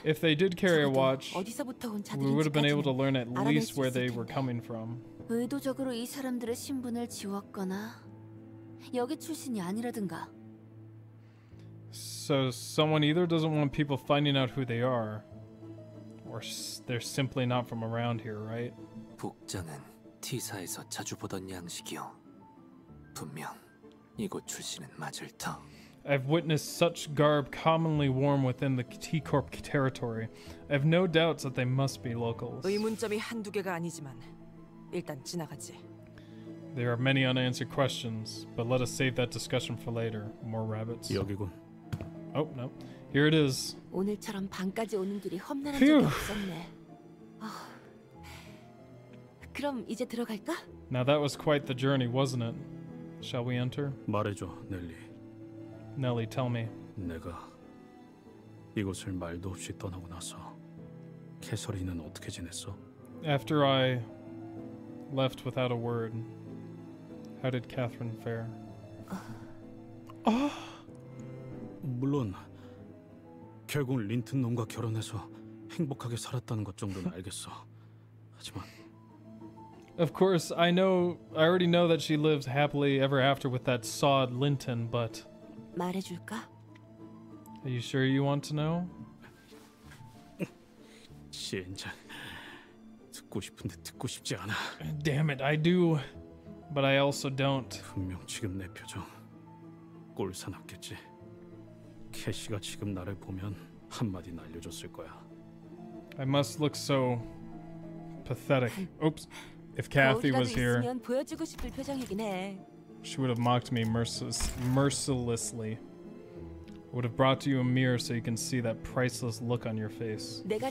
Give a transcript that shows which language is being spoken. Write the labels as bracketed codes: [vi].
[en] if they did carry a watch, we would have been able to learn at least where they were coming from. [ko] 의도적으로 이 사람들의 신분을 지웠거나 여기 출신이 아니라든가. [en] So someone either doesn't want people finding out who they are, or they're simply not from around here, right? [ko] 북장은 T사에서 자주 보던 양식이요. 분명 이곳 출신은 맞을 터. [en] I've witnessed such garb commonly worn within the T-Corp territory. I have no doubts that they must be locals. [ko] 의문점이 한두 개가 아니지만 일단 지나가지. [en] There are many unanswered questions, but let us save that discussion for later. More rabbits. [ko] 여기군. [en] Oh, no. Here it is. [ko] 오늘처럼 방까지 오는 길이 험난한 적이 없었네. 그럼 이제 들어갈까? [en] Now that was quite the journey, wasn't it? Shall we enter? [ko] 말해줘, 넬리. [en] Nelly, tell me. [ko] 내가 이곳을 말도 없이 떠나고 나서 캐서린은 어떻게 지냈어? [en] After I left without a word, how did Catherine fare? [ko] 물론 결국 린튼 놈과 결혼해서 행복하게 살았다는 것 정도는 알겠어. 하지만 [en] Of course, I know. I already know that she lives happily ever after with that sod Linton, but. [ko] 말해줄까? [en] Are you sure you want to know? [ko] 진짜 듣고 싶은데 듣고 싶지 않아. [en] Damn it, I do, but I also don't. [ko] 분명 지금 내 표정 꼴사납겠지. 캐시가 지금 나를 보면 한마디 날려줬을 거야. [en] I must look so pathetic. Oops. If Kathy was here, she would have mocked me mercilessly. I would have brought you a mirror so you can see that priceless look on your face.